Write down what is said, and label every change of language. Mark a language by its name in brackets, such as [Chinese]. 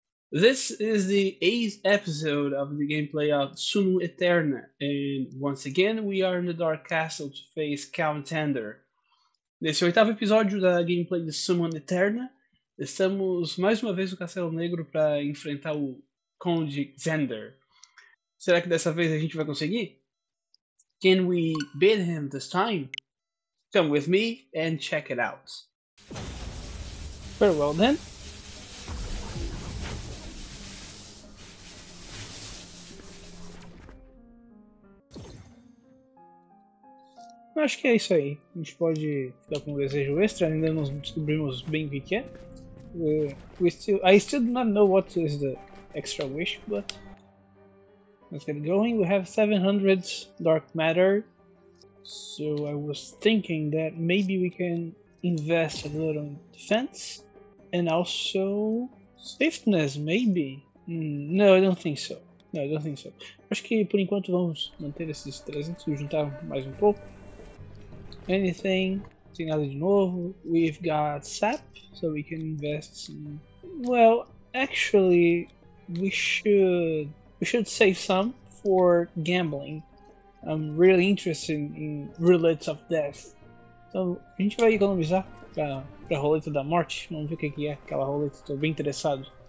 [English] This is the 8th episode of the gameplay of Sumo Eterna, and once again we are in the Dark Castle to face Count Ender. [Portuguese] Nesse 8º episódio da gameplay de Sumo Eterna, estamos mais uma vez no Castelo Negro para enfrentar o Conde Xander. Será que dessa vez a gente vai conseguir? [English] Can we beat him this time? Come with me and check it out. Very well then. [Portuguese] Acho que é isso aí. A gente pode ficar com um desejo extra, ainda não descobrimos bem o que é. [English] I still do not know what is the extra wish, but let's get going. We have 700 dark matter. So I was thinking that maybe we can invest a little in defense and also swiftness, maybe. No, I don't think so. No, I don't think so. [Portuguese] Acho que por enquanto vamos manter esses 300 e juntar mais um pouco. [English] Anything? [Portuguese] Tem nada de novo? [English] We've got sap, so we can invest some. Well, actually, we should save some for gambling. I'm really interested in roulette of death. [Portuguese] Então, a gente vai economizar pra roleta da morte. Vamos ver o que é aquela roleta, estou bem interessado.